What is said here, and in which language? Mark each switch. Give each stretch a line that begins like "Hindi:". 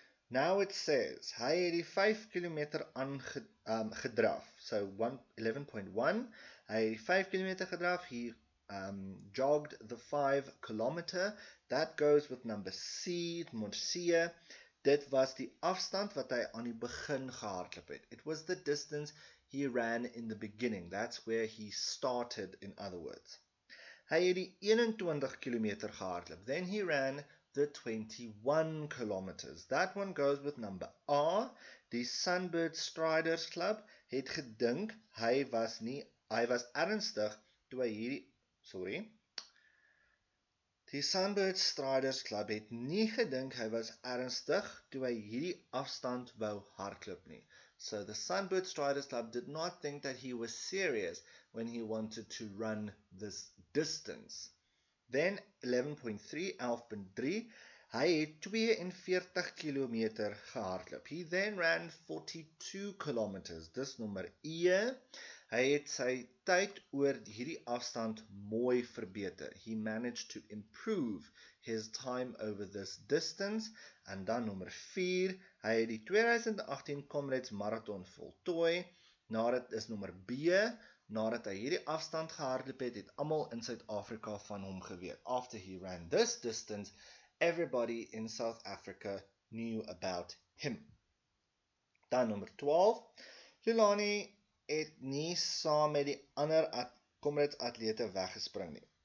English: Now it says,
Afrikaans: hy het die 5 kilometer gedraf. So 11.1, hy het die 5 kilometer gedraf, hy
English: jogged the 5 kilometer. That goes with number C, Morsia.
Afrikaans: Dit was die afstand wat hy aan die begin gehardloop het.
English: It was the distance he ran in the beginning. That's where he started, in other words.
Afrikaans: Hy het die 21 kilometer gehardloop.
English: Then he ran the 21 kilometers. That one goes with number A.
Afrikaans: Die Sunbird Striders Club het gedink Die Sunbird Striders Club het nie gedink hy was ernstig toe hy hierdie afstand wou hardloop nie.
English: So the Sunbird Striders Club did not think that he was serious when he wanted to run this distance. Then
Afrikaans: 11.3, hy het 42 kilometer gehardloop.
English: He then ran 42 kilometers.
Afrikaans: Dis nommer 1. Hy het sy tyd oor hierdie afstand mooi verbeter.
English: He managed to improve his time over this distance.
Afrikaans: En dan nommer 4, hy het die 2018 Comrades Marathon voltooi. Nadat is nommer B, nadat hy hierdie afstand gehardloop het, het almal in Suid-Afrika van hom geweet.
English: After he ran this distance, everybody in South Africa knew about him.
Afrikaans: Dan nommer 12, Julani het nie saam met die ander comrades atlete weggespring nie.